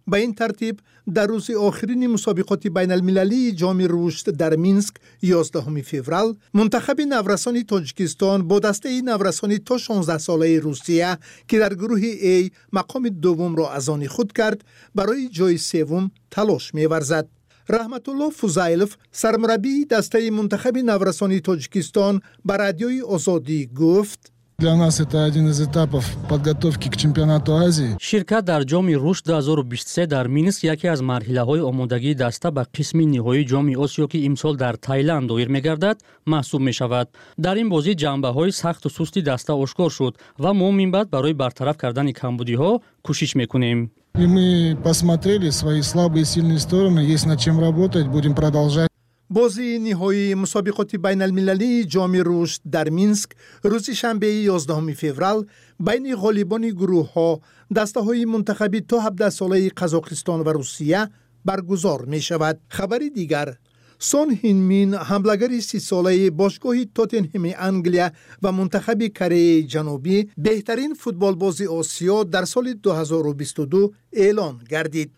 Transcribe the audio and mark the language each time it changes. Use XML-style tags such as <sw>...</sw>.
<fa>به این ترتیب در روز آخرین مسابقات بین المللی جام رشد در مینسک 11 فوریه منتخب نورسان تاجیکستان با دسته نورسان تا 16 ساله روسیه که در گروه ای مقام دوم را از آن خود کرد برای جای سوم تلاش می‌ورزد. رحمت الله فوزایلف سرمربی دسته منتخب نورسان تاجیکستان به رادیوی آزادی گفت:</fa> <ru>Для нас это один из этапов подготовки к чемпионату Азии.</ru> <tg>Ширкат дар ҷоми рушд 2023 дар Минск яке аз марҳилаҳои омодагии даста ба қисми ниҳои ҷоми Осиё ки имсол дар Таиланд доир мегардад, маҳсуб мешавад. Дар ин бозӣ ҷанбаҳои сахту сусти даста ошкор шуд ва мо минбаъд барои бартараф кардани камбудиҳо кӯшиш мекунем.</tg> <ru>И мы посмотрели свои слабые и сильные стороны, есть над чем работать, будем продолжать.</ru> <fa>بازی نهایی مسابقات بین المللی جام رشد در مینسک روز شنبه 11 فوریه بین غالبان گروه ها دسته های منتخبی تا 17 ساله قزاقستان و روسیه برگزار می شود. خبر دیگر، سون هین مین حملگری 30 ساله باشگاه توتنهم انگلیا و منتخب کره جنوبی بهترین فوتبال باز آسیا در سال 2022 اعلان گردید.</fa>